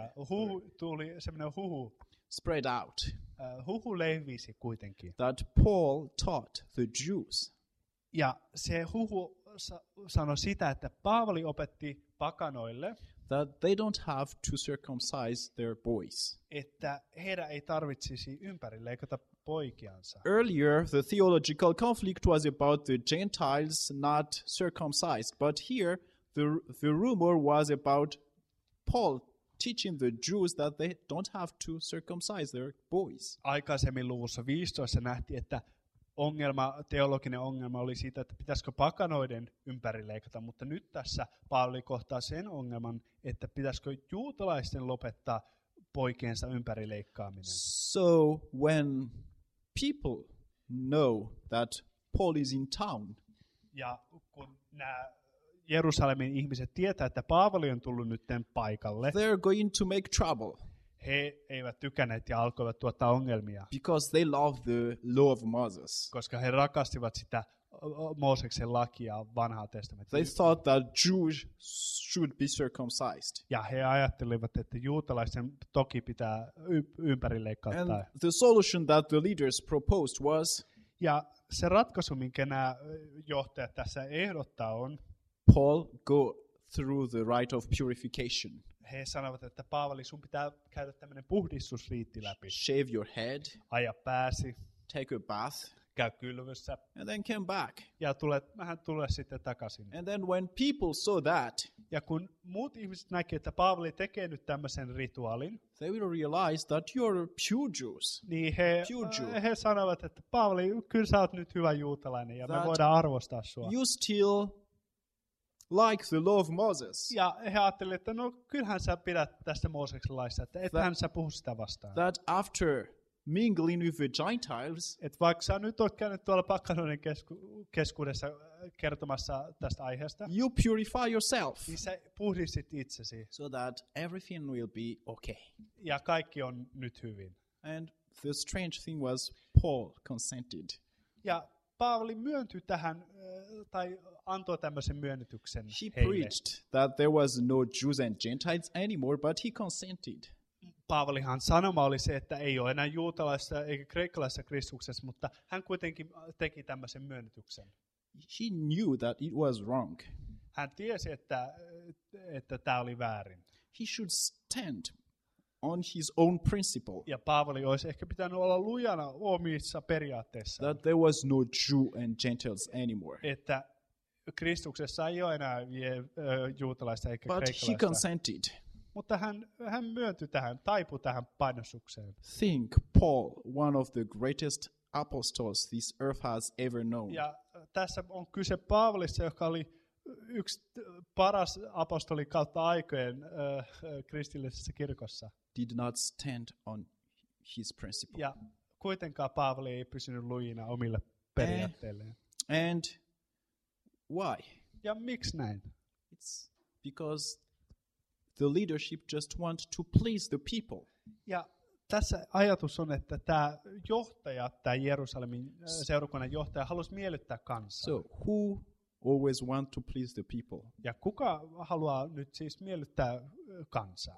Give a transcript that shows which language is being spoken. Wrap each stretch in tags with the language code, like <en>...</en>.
<fi>Huhu tuli semmoinen huhu.</fi> <en>Spread out.</en> <fi>Huhu leivisi kuitenkin.</fi> <en>That Paul taught the Jews.</en> <fi>Ja se huhu sanoi sitä, että Paavali opetti pakanoille.</fi> <en>That they don't have to circumcise their boys.</en> <fi>Että heidän ei tarvitsisi ympärileikata poikiansa.</fi> <en>Earlier, the theological conflict was about the Gentiles not circumcised. But here, the rumor was about Paul teaching the Jews that they don't have to circumcise their boys.</en> <fi>Aikaisemmin luvussa 15 nähtiin, että ongelma, teologinen ongelma oli siitä, että pitäisikö pakanoiden ympärileikata, mutta nyt tässä Paavali kohtaa sen ongelman, että pitäisikö juutalaisten lopettaa poikiensa ympärileikkaaminen.</fi> <en>So when people know that Paul is in town,</en> <fi>ja kun nämä Jerusalemin ihmiset tietää, että Paavali on tullut nytten paikalle.</fi> <en>They are going to make trouble.</en> <fi>He eivät tykänneet ja alkoivat tuottaa ongelmia.</fi> <en>Because they love the law of Moses.</en> <fi>Koska he rakastivat sitä Mooseksen lakia vanhaa testamentista.</fi> <en>They thought that Jews should be circumcised.</en> <fi>Ja he ajattelivat, että juutalaisten toki pitää ympärileikkauttaa.</fi> <en>And the solution that the leaders proposed was.</en> <fi>Ja se ratkaisu, minkä nämä johtajat tässä ehdottaa, on</fi> <en>Paul go through the rite of purification.</en> <fi>He sanovat, että Paavali, sun pitää käydä tämmöinen puhdistusriitti läpi.</fi> <en>Shave your head.</en> <fi>Aja pääsi.</fi> <en>Take a bath.</en> <fi>Käy kylvyssä.</fi> <en>And then came back.</en> <fi>Ja tule sitten takaisin.</fi> <en>And then when people saw that.</en> <fi>Ja kun muut ihmiset näkivät, että Paavali tekee nyt tämmöisen rituaalin.</fi> <en>They will realize that you're pure Jews.</en> <fi>Niin he sanovat, että Paavali, kyllä sä oot nyt hyvä juutalainen ja me voidaan arvostaa sua.</fi> <en>You still like the law of Moses.</en> <fi>Ja he ajattelivat, että no kyllähän sä pidät tästä Mooseksen laista, että ethän sä puhu sitä vastaan.</fi> <en>That after mingling with the Gentiles.</en> <fi>Et vaikka sä nyt oot käynyt tuolla pakkanoiden keskuudessa kertomassa tästä aiheesta.</fi> <en>You purify yourself.</en> <fi>Niin sä puhdistit itsesi.</fi> <en>So that everything will be okay.</en> <fi>Ja kaikki on nyt hyvin.</fi> <en>And the strange thing was Paul consented.</en> <fi>Ja Paavali myöntyi tähän, tai antoi tämmöisen myönnytyksen he heille.</fi> <en>He preached that there was no Jews and Gentiles anymore, but he consented.</en> <fi>Paavalihan sanoma oli se, että ei ole enää juutalaisessa eikä kreikkalaisessa Kristuksessa, mutta hän kuitenkin teki tämmöisen myönnytyksen.</fi> <en>He knew that it was wrong.</en> <fi>Hän tiesi, että tämä oli väärin.</fi> <en>He should stand on his own principle.</en> <fi>Ja Paavali olisi ehkä pitänyt olla lujana omissa periaatteissa.</fi> <en>That there was no Jew and Gentiles anymore.</en> <fi>Että Kristuksessa ei ole enää juutalaista eikä</fi> <en>but</en> <fi>kreikkalaista.</fi> <en>But he consented.</en> <fi>Mutta hän myöntyi tähän, taipui tähän painostukseen.</fi> <en>Think Paul, one of the greatest apostles this earth has ever known.</en> <fi>Ja tässä on kyse Paavalista, joka oli yksi paras apostoli kautta aikojen kristillisessä kirkossa.</fi> <en>Did not stand on his principle.</en> <fi>Ja kuitenkaan Paavali ei pysynyt lujina omille periaatteilleen.</fi> <en>And why?</en> <fi>Ja miksi näin?</fi> <en>It's because the leadership just want to please the people.</en> <fi>Ja tässä ajatus on, että tämä johtaja, tämä Jerusalemin seurakunnan johtaja, halusi miellyttää kansaa.</fi> <en>So who always want to please the people?</en> <fi>Ja kuka haluaa nyt siis miellyttää kansaa?</fi>